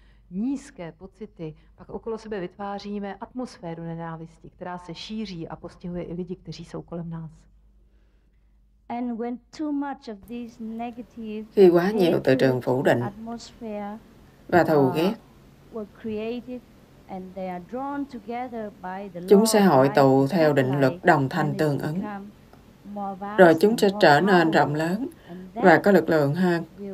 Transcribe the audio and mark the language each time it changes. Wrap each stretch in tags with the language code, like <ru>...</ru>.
<cs>Nízké pocity, pak okolo sebe vytváříme atmosféru nenávisti, která se šíří a postihuje i lidi, kteří jsou kolem nás.</cs> <en>And when too much of these negative,</en> <vi>khi quá nhiều từ trường phủ định và thù ghét,</vi> <en>were created and they are drawn together by the law,</en> <vi>chúng sẽ hội tụ theo định luật đồng thanh tương ứng, rồi chúng sẽ trở nên rộng lớn và có lực lượng hơn.</vi>